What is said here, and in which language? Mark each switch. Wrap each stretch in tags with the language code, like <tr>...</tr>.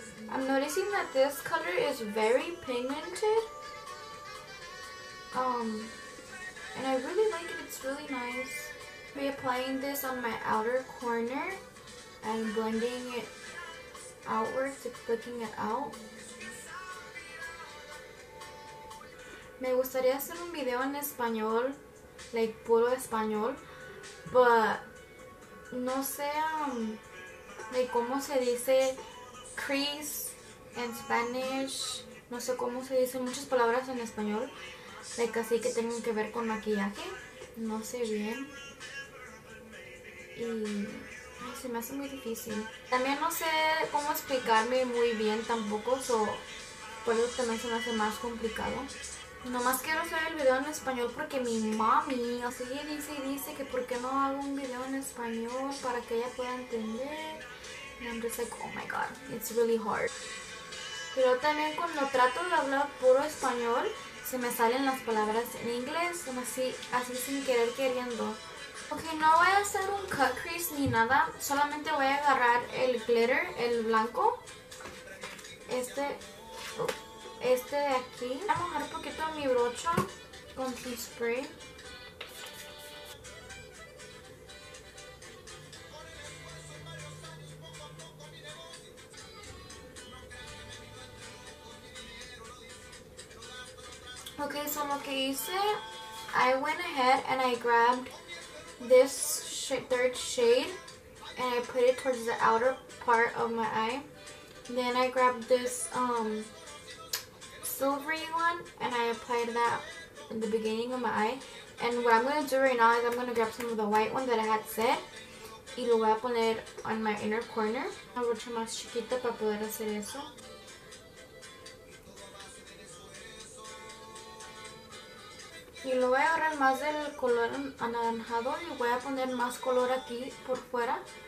<en>I'm noticing that this color is very pigmented. And I really like it, it's really nice. Reapplying this on my outer corner and blending it outwards, flicking it out.</en> <es>Me gustaría hacer un video en español, like puro español, but no sé, like cómo se dice crease en Spanish, no sé cómo se dicen muchas palabras en español, like así que tengan que ver con maquillaje, no sé bien, y ay, se me hace muy difícil. También no sé cómo explicarme muy bien tampoco, so por eso también se me hace más complicado. Nomás quiero hacer el video en español porque mi mami, así dice y dice que por qué no hago un video en español para que ella pueda entender.</es> <en>And I'm just like, oh my god, it's really hard.</en> <es>Pero también cuando trato de hablar puro español, se me salen las palabras en inglés, así sin querer queriendo. Ok, no voy a hacer un cut crease ni nada, solamente voy a agarrar el glitter, el blanco. Este de aquí. Voy a mojar un poquito mi brocha con su spray. Ok, so lo que hice,</es> <en>I went ahead and I grabbed this third shade and I put it towards the outer part of my eye. Then I grabbed this silvery one and I applied that in the beginning of my eye. And what I'm gonna do right now is I'm gonna grab some of the white one that I had set</en> <es>y lo voy a poner</es> <en>on my inner corner.</en> <es>Una brocha más chiquita para poder hacer eso. Y lo voy a agarrar más del color anaranjado y voy a poner más color aquí por fuera.</es>